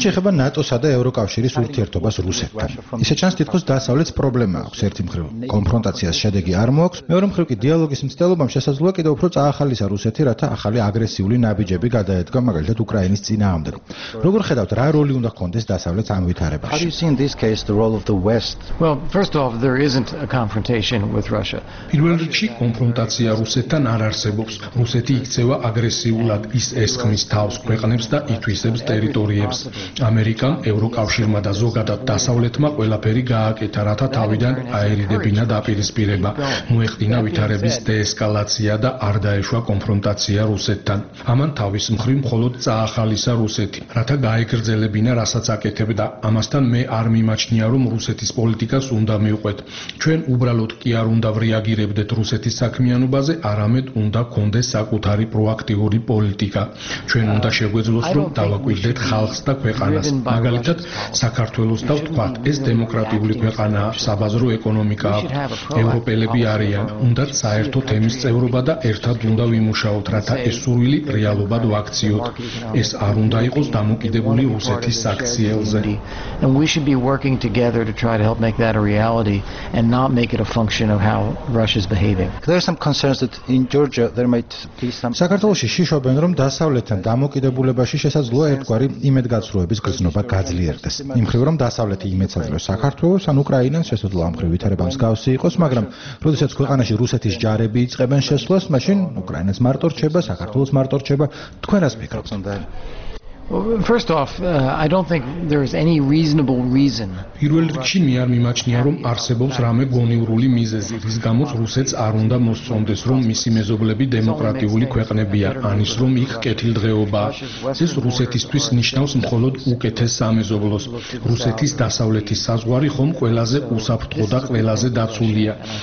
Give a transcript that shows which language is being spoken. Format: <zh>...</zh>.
<ka>Ჩვენ ხება ნატოს და ევროკავშირის ურთიერთობას რუსეთთან. ისე ჩანს, თითქოს დასავლეთს პრობლემა აქვს ერთი მხრივ. კონფრონტაციას შედეგი არ მოაქვს, მეორე მხრივ კი დიალოგის მცდელობამ შესაძლოა კიდევ უფრო წაახალისა რუსეთი, რათა ახალი აგრესიული ნაბიჯები გადაედგა მაგალითად უკრაინის წინააღმდეგ. როგორ ხედავთ, რა როლი უნდა ჰქონდეს დასავლეთს ამ ვითარებაში?</ka> <en>How do you see in this case the role of the West? Well, first of all, there isn't a confrontation with Russia.</en> <ka>პირველ რიგში კონფრონტაცია რუსეთთან არ არსებობს. რუსეთი იქცევა აგრესიულ ის ესხმის თავს ქვეყნებს და ითვისებს ტერიტორიებს. ამერიკამ, ევროკავშირმა და ზოგადად დასავლეთმა ყველაფერი გააკეთა, რათა თავიდან აერიდებინა დაპირისპირება, მოეხდინა ვითარების დეესკალაცია და არ დაეშვა კონფრონტაცია რუსეთთან. ამან თავის მხრივ მხოლოდ წაახალისა რუსეთი, რათა გაეგრძელებინა რასაც აკეთებდა. ამასთან მე არ მიმაჩნია, რომ რუსეთის პოლიტიკას უნდა მივყვეთ. ჩვენ უბრალოდ კი არ უნდა ვრეაგირებდეთ რუსეთის საქმიანობაზე, არამედ უნდა გქონდეს საკუთარი პროაქტიური პოლიტიკა. ჩვენ უნდა შეგვეძლოს, რომ დავაკვირდეთ ხალხს და ქვეყანას, მაგალითად საქართველოს და ვთქვათ, ეს დემოკრატიული ქვეყანაა, საბაზრო ეკონომიკა აქვთ, ევროპელები არიან, უნდათ საერთო თემის წევრობა და ერთად უნდა ვიმუშაოთ, რათა ეს სურვილი რეალობად ვაქციოთ. ეს არ უნდა იყოს დამოკიდებული რუსეთის საქციელზე.</ka> <en>And we should be working together to try to help make that a reality and not make it a function of how Russia is behaving. There are some concerns that in Georgia there might be some</en> <ka>საქართველოს შიშობენ, რომ დასავლეთთან დამოკიდებულებაში შესაძლოა ერთგვარი იმედგაცრუების გრძნობა გაძლიერდეს. იმ მხრივ, რომ დასავლეთი იმედსაძლოს საქართველოს ან უკრაინას, შესაძლოა ამ მხრივ ვითარებამ მსგავსი იყოს, მაგრამ როდესაც ქვეყანაში რუსეთის ჯარები იწყებენ შესვლას, მაშინ უკრაინას მარტო რჩება, საქართველოს მარტო რჩება. თქვენ რას ფიქრობთ?</ka> <en>Well, first off, I don't think there is any reasonable reason.</en> <ka>პირველ რიგში მე არ მიმაჩნია, რომ არსებობს რამე გონივრული მიზეზი, რის გამოც რუსეთს არ უნდა მოსწონდეს, რომ მისი მეზობლები დემოკრატიული ქვეყნებია, ან ის, რომ იქ კეთილდღეობა. ეს რუსეთისთვის ნიშნავს მხოლოდ უკეთეს სამეზობლოს. რუსეთის დასავლეთის საზღვარი ხომ ყველაზე უსაფრთხო და ყველაზე დაცულია.</ka>